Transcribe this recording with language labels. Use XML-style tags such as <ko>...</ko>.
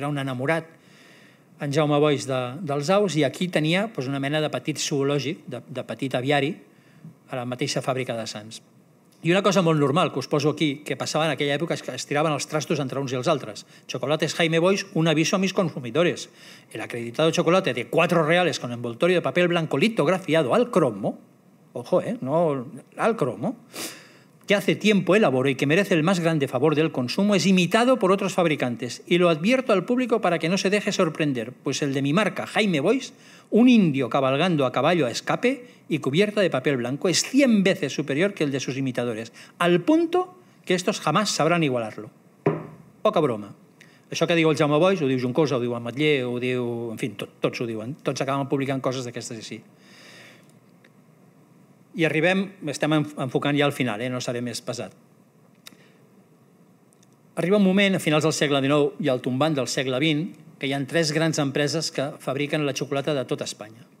<ca>Era un enamorat en Jaume Boix dels aus, i aquí tenia doncs, una mena de petit zoològic, de petit aviari, a la mateixa fàbrica de Sants. I una cosa molt normal que us poso aquí, que passava en aquella època, és que es tiraven els trastos entre uns i els altres.</ca> <es>Chocolates Jaime Boix, un aviso a mis consumidores. El acreditado chocolate de 4 reales con envoltorio de papel blanco litografiado al cromo, ojo, no al cromo, que hace tiempo elaboro y que merece el más grande favor del consumo, es imitado por otros fabricantes. Y lo advierto al público para que no se deje sorprender, pues el de mi marca, Jaime Boix, un indio cabalgando a caballo a escape y cubierta de papel blanco, es 100 veces superior que el de sus imitadores, al punto que estos jamás sabrán igualarlo.</es> <ca>Poca broma. Això que diu el Jaume Boix, ho diu Juncosa, ho diu Ametller, ho diu... En fi, tots ho diuen. Tots acaben publicant coses d'aquestes així. I arribem, estem enfocant ja al final, no seré més pesat. Arriba un moment, a finals del segle XIX i al tombant del segle XX, que hi ha tres grans empreses que fabriquen la xocolata de tota Espanya.</ca>